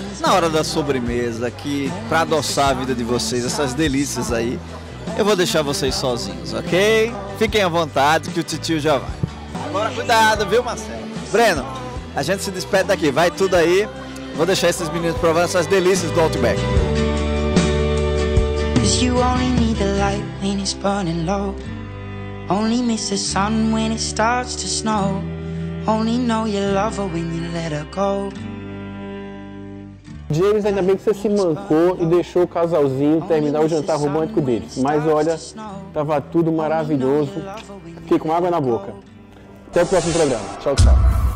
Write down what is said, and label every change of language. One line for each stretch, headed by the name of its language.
Portuguese: Na hora da sobremesa aqui, pra adoçar a vida de vocês, essas delícias aí, eu vou deixar vocês sozinhos, ok? Fiquem à vontade que o titio já vai. Agora cuidado, viu, Marcelo? Breno, a gente se despede daqui, vai tudo aí. Vou deixar esses meninos provando essas delícias do Outback.
English: Cause you only need the light when it's burning low. Only miss the sun when it starts to snow. Only know you love her when you let her go.
Portuguese: James, ainda bem que você se mancou e deixou o casalzinho terminar o jantar romântico deles. Mas olha, tava tudo maravilhoso. Fiquei com água na boca. Até o próximo programa. Tchau, tchau.